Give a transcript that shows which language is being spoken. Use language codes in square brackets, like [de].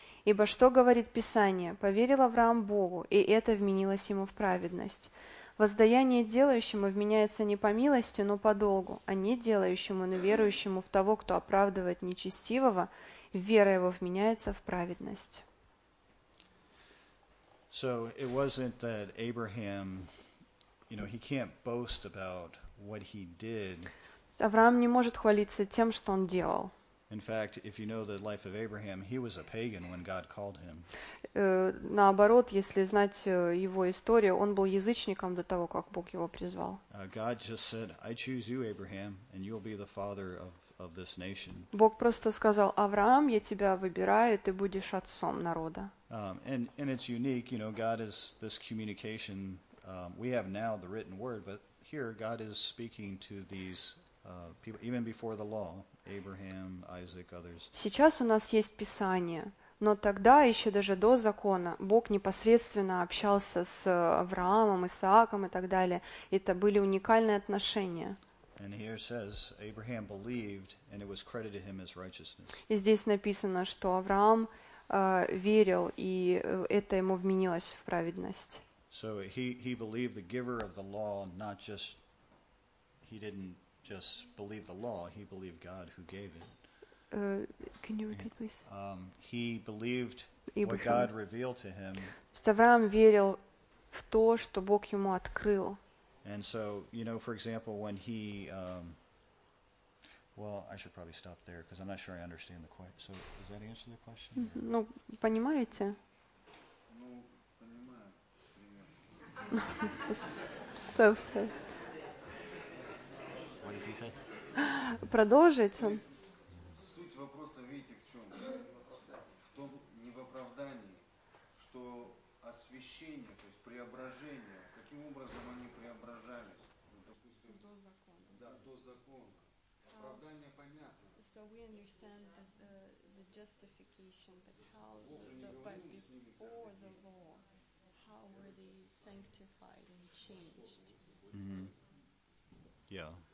[ru] Ибо что говорит Писание? Поверил Авраам Богу, и это вменилось ему в праведность. Воздаяние делающему вменяется не по милости, но по долгу, а не делающему, но верующему в того, кто оправдывает нечестивого, вера его вменяется в праведность. [en] So it wasn't that Abraham, you know, he can't boast about what he did. [ru] Авраам не может хвалиться тем, что он делал. [en] In fact, if you know the life of Abraham, he was a pagan when God called him. [ru] Наоборот, если знать его историю, он был язычником до того, как Бог его призвал. [en] God just said, "I choose you, Abraham, and you'll be the father of this nation." [ru] Бог просто сказал: "Авраам, я тебя выбираю, ты будешь отцом народа." [en] And it's unique, you know, God is this communication we have now the written word, but here God is speaking to these people even before the law. Abraham, Isaac, others. [ru] Сейчас у нас есть Писание, но тогда, еще даже до закона, Бог непосредственно общался с Авраамом, Исааком и так далее. Это были уникальные отношения. [en] And here says, Abraham believed, and it was credited to him as righteousness. [ru] И здесь написано, что Авраам верил, и это ему вменилось в праведность. [en] So he believed the giver of the law, not just he didn't just believe the law, he believed God who gave it. Can you repeat, please? He believed Abraham. What God revealed to him. [ru] Авраам верил в то, что Бог ему открыл. [en] And so, you know, for example, when he, well, I should probably stop there because I'm not sure I understand the question. So, does that answer the question? [ru] Ну, понимаете? Ну, понимаю. [en] So sorry. What does he say? [ru] Продолжить. Суть вопроса, видите, в чем? В том, не в оправдании, что освящение, то есть преображение, каким образом они преображались? Допустим, до закона. Да, до закона. Оправдание понятно. [en] So we understand this, the justification, but how before the law, how were they sanctified and changed? Mm-hmm. Yeah.